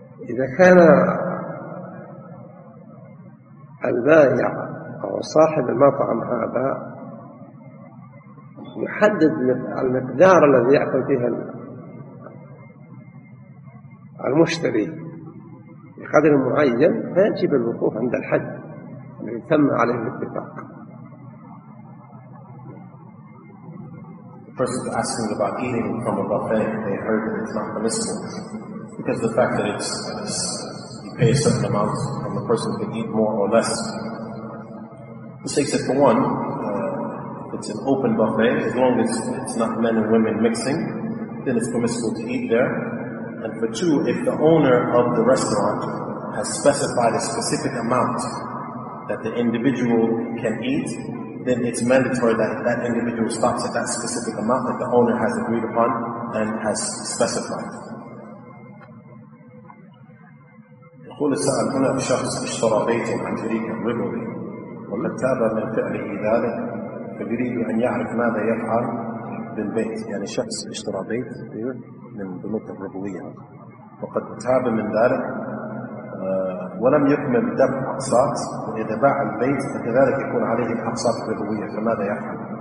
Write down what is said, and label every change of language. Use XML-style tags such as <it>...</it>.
<ar>إذا كان البائع أو صاحب المطعم هذا يحدد المقدار الذي يأكل فيه المشتري بقدر معين فيجب الوقوف عند الحد الذي تم عليه الاتفاق.</ar> <en>The person is asking about eating from a buffet. They heard that it's not permissible because the fact that it's you pay a certain amount and the person can eat more or less. The Sheikh said, for one, it's an open buffet. As long as it's not men and women mixing, then it's permissible to eat there. And for two, if the owner of the restaurant has specified a specific amount that the individual can eat, then it's mandatory that that individual stops at that specific amount that the owner has agreed upon and has specified.</en> <ar>يقول السائل هنا شخص اشترى بيتا عن طريق الربوي ومن تاب من فعله ذلك فيريد أن يعرف ماذا يفعل بالبيت. يعني شخص اشترى بيت من بنوك الربوية وقد تاب من ذلك ولم يكمل دفع أقساط، وإذا باع البيت فكذلك يكون عليه الأقساط الربوية، فماذا يفعل؟</ar>